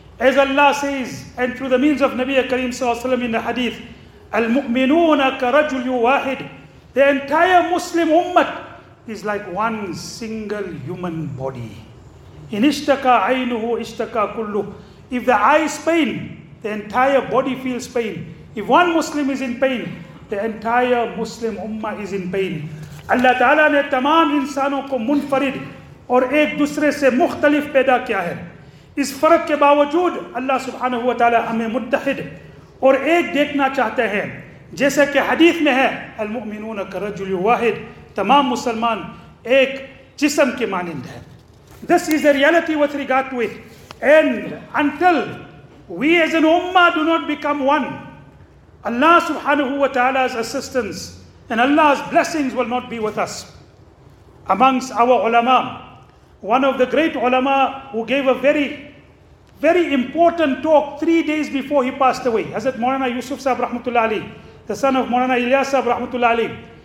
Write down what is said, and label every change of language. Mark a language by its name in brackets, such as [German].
[English] As Allah says, and through the means of Nabi Kareem sallallahu alayhi wa sallam in the hadith, [Arabic] Al-mu'minuna ka rajul wahid. [English] The entire Muslim ummah is like one single human body. [Arabic] In ishtaka aynuhu ishtaka kullu. [English] If the eye is pain, the entire body feels pain. If one Muslim is in pain, the entire Muslim ummah is in pain. [Urdu] Allah Ta'ala نے تمام انسانوں کو منفرد اور ایک دوسرے سے مختلف پیدا کیا ہے. اس فرق کے باوجود اللہ سبحانہ وتعالی ہمیں متحد اور ایک دیکھنا چاہتے ہیں. جیسا کہ حدیث میں ہے, [Arabic] المؤمنون كرجل واحد, [Urdu] تمام مسلمان ایک جسم کے مانند ہیں. [English] This is the reality with regard to it. And until we as an ummah do not become one, Allah سبحانہ وتعالی's assistance and Allah's blessings will not be with us. Amongst our ulama, one of the great ulama who gave a very, very important talk 3 days before he passed away, Hazrat Maulana Yusuf Sahib Rahmatullah Ali, the son of Maulana Ilyas Sahib Rahmatullah Ali.